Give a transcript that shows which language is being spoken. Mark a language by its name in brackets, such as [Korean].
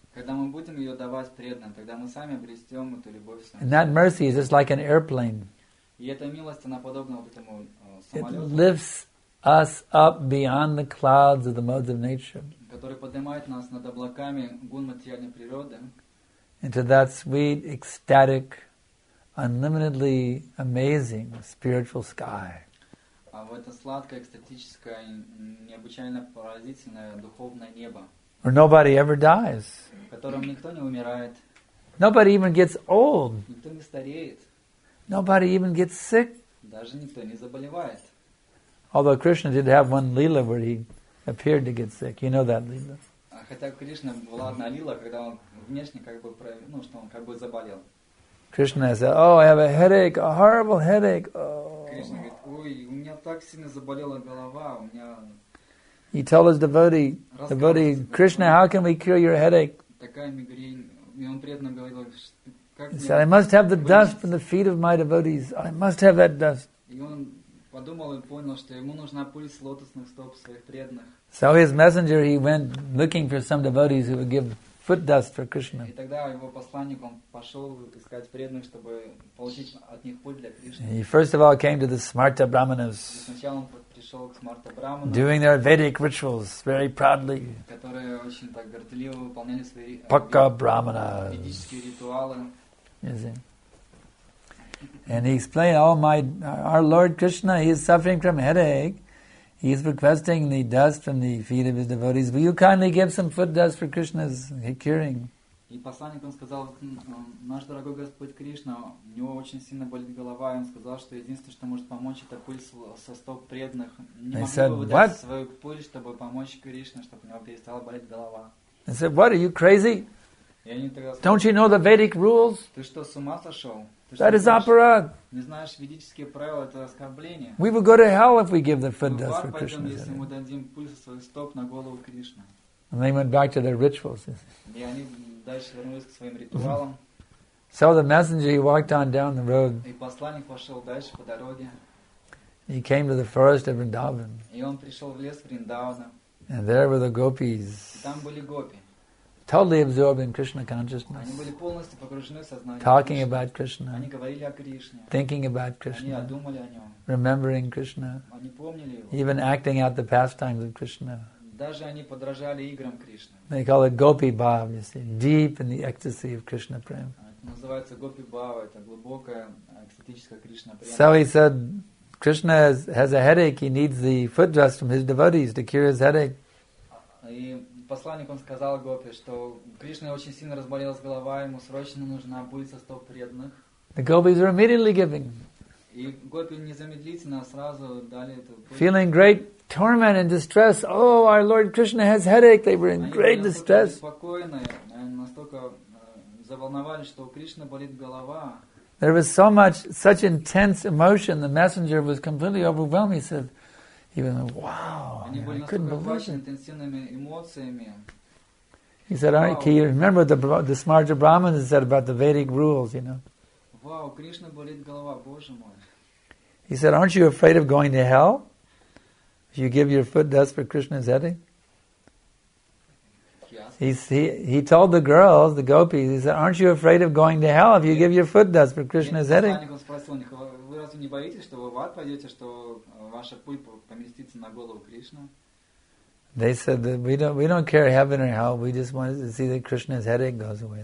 [Russian] Когда мы будем ее давать преданным, тогда мы сами обретем эту любовь. [English] And that mercy is just like an airplane. [Russian] И эта милость, она подобна вот этому самолету. [English] It lifts us up beyond the clouds of the modes of nature. [Russian] Который поднимает нас над облаками гун материальной природы. [English] Into that sweet, ecstatic, unlimitedly amazing spiritual sky. [Russian] А в это сладкое, экстатическое, необычайно поразительное духовное небо. [English] Where nobody ever dies. [Russian] В котором никто не умирает. [English] Nobody even gets old. [Russian] Никто не стареет. [English] Nobody even gets sick. [Russian] Даже никто не заболевает. [English] Although Krishna did have one lila where he appeared to get sick. You know that lila. [Russian] Хотя Кришна была одна лила, когда он внешне как бы, ну, что он как бы заболел. [English] Krishna said, "Oh, I have a headache, a horrible headache." [Russian] Кришна говорит: "Ой, у меня так сильно заболела голова, у меня..." [English] He told his devotee, "Krishna, how can we cure your headache?" [Russian] Такая мигрень, и он преданно говорил: "Как мне..." [English] He said, "I must have the dust from the feet of my devotees. I must have that dust." [Russian] И он подумал и понял, что ему нужна пыль с лотосных стоп своих преданных. [English] So his messenger, he went looking for some devotees who would give foot dust for Krishna. [Russian] И тогда его посланник, он пошел искать преданных, чтобы получить от них пыль для Кришны. [English] He first of all came to the Smarta Brahmanas. [Russian] Сначала он пришел к Смарта Брахманам. [English] Doing their Vedic rituals very proudly. [Russian] Которые очень так горделиво выполняли свои Пакка Брахманас. Ведические ритуалы. [English] Is it? And he explained, "Oh my, our Lord Krishna, he is suffering from headache. He is requesting the dust from the feet of his devotees. Will you kindly give some foot dust for Krishna's curing?" [Russian] И посланник он сказал: "Наш дорогой Господь Кришна, у него очень сильно болит голова, и он сказал, что единственное, что может помочь, это пыль со стоп преданных. Не могли бы вы дать свою пыль, чтобы помочь Кришне, чтобы у него перестала болеть голова?" [English] He said, "What, are you crazy? Don't you know the Vedic rules? [Russian] Ты что, с ума сошел? [English] That is apparat. [Russian] Не знаешь ведические правила, это оскорбление. [English] We will go to hell if we give the foot dust for Krishna. [Russian] Если мы дадим пыль со своих стоп на голову Кришны." [English] And they went back to their rituals. [Russian] И они дальше вернулись к своим ритуалам. [English] So the messenger, he walked on down the road. [Russian] И посланник пошел дальше по дороге. [English] He came to the forest of Vrindavan. [Russian] И он пришел в лес Вриндавана. [English] And there were the gopis. [Russian] И там были гопи. [English] Totally absorbed in Krishna consciousness. [Russian] Они были полностью погружены в сознание. [English] Talking about Krishna. [Russian] Они говорили о Кришне. [English] Thinking about Krishna. [Russian] Они думали о нем. [English] Remembering Krishna. [Russian] Они помнили его. [English] Even acting out the pastimes of Krishna. [Russian] Даже они подражали играм Кришны. [English] They call it Gopi Bhava, you see, deep in the ecstasy of Krishna prema. [Russian] Это называется Gopi Bhava, это глубокая экстатическая Кришна према. [English] So he said, Krishna has a headache. He needs the foot dust from his devotees to cure his headache. [Russian] Посланник он сказал гопи, что Кришна очень сильно разболелась голова, ему срочно нужна пыль со стоп преданных. [English] The gopis were immediately giving. [Russian] И гопи незамедлительно сразу дали эту пыль. [English] Feeling great torment and distress. Oh, our Lord Krishna has headache. They were in [Russian] они [English] great distress. [Russian] Спокойно, настолько заволновались, что у Кришны болит голова. [English] There was so much, such intense emotion. The messenger was completely overwhelmed. He said, even though, wow, [Russian] они были настолько охвачены интенсивными эмоциями. [English] He said, "Wow, can you remember the Smarta Brahman said about the Vedic rules, you know?" [Russian] Вау, Кришна болит голова, Боже мой. [English] He said, "Aren't you afraid of going to hell if you give your foot dust for Krishna's headache?" He told the girls, the gopis, he said, "Aren't you afraid of going to hell if you give your foot dust for Krishna's headache?" [Russian] Посланник спросил у них: "Вы разве не боитесь, что вы в ад пойдете, что ваша пыль поместится на голову Кришны?" [English] They said that we don't care heaven or hell. We just want to see that Krishna's headache goes away.